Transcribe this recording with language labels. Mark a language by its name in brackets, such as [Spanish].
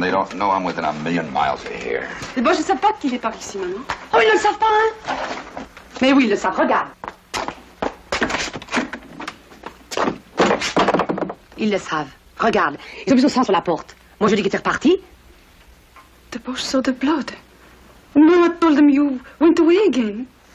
[English] They don't know I'm within a million miles of here. [French] Les Boches ne savent pas qu'il est par ici, maman. Oh, ils ne le savent pas, hein? Mais oui, ils le savent. Regarde. Ils le savent. Regarde. Ils ont mis du sang sur la porte. Moi, je dis qu'ils étaient repartis. [English] The Boches saw the blood. No one told them you went away again.